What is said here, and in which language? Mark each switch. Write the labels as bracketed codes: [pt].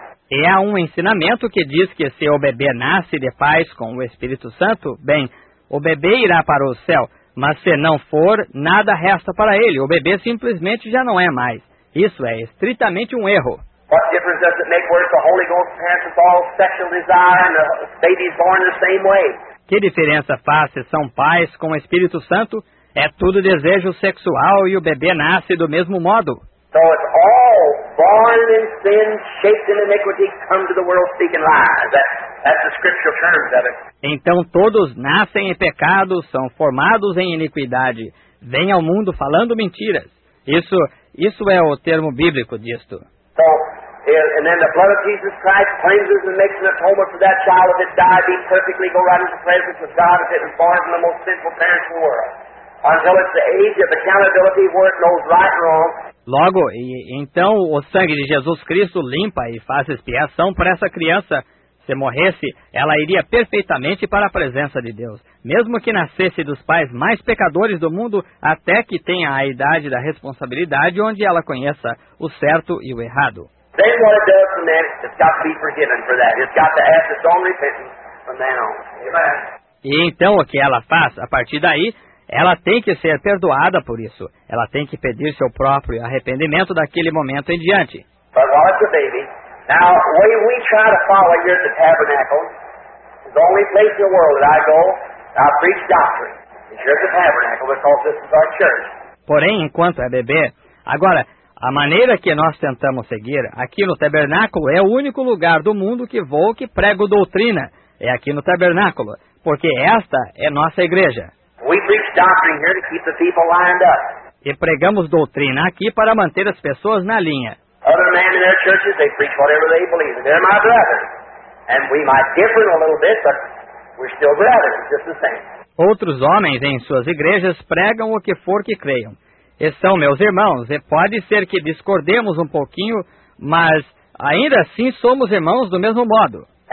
[pt] E há um ensinamento que diz que se o bebê nasce de paz com o Espírito Santo, bem, o bebê irá para o céu, mas se não for, nada resta para ele. O bebê simplesmente já não é mais. Isso é estritamente um erro. [en] What difference does it make whether the Holy Ghost parents with all sexual desire and the baby's born the same way? [pt] Que diferença faz se são pais com o Espírito Santo? É tudo desejo sexual e o bebê nasce do mesmo modo. [en] So it's all born in sin, shaped in iniquity, come to the world speaking lies. That's the scriptural terms of it. [pt] Então todos nascem em pecado, são formados em iniquidade, vêm ao mundo falando mentiras. Isso é o termo bíblico disto. [en] And then the blood of Jesus Christ cleanses and makes an atonement for that child. If it died, be perfectly go right into the presence of God, if it was born from the most sinful parents in the world. Until it's the age of accountability where it knows right and wrong. [pt] Logo, então o sangue de Jesus Cristo limpa e faz expiação para essa criança. Se morresse, ela iria perfeitamente para a presença de Deus, mesmo que nascesse dos pais mais pecadores do mundo, até que tenha a idade da responsabilidade onde ela conheça o certo e o errado. [en] Then what it does from then, it's got to be forgiven for that. It's got to ask its own repentance from then on. Amen. [pt] E então o que ela faz a partir daí? Ela tem que ser perdoada por isso. Ela tem que pedir seu próprio arrependimento daquele momento em diante. [en] But while it's a baby, now when we try to follow here at the tabernacle, the only place in the world that I go, I preach doctrine. It's here at the tabernacle because this is our church. [pt] Porém, enquanto é bebê, agora, a maneira que nós tentamos seguir aqui no tabernáculo é o único lugar do mundo que vou que prego doutrina. É aqui no tabernáculo, porque esta é nossa igreja. [en] We preach doctrine here to keep the people lined up. [pt] E pregamos doutrina aqui para manter as pessoas na linha. [en] Other men in their churches, they preach whatever they believe. They're my brothers. And we might differ a little bit, but we're still brothers, just the same. [pt] Outros homens em suas igrejas pregam o que for que creiam. E são meus irmãos, e pode ser que discordemos um pouquinho, mas ainda assim somos irmãos do mesmo modo.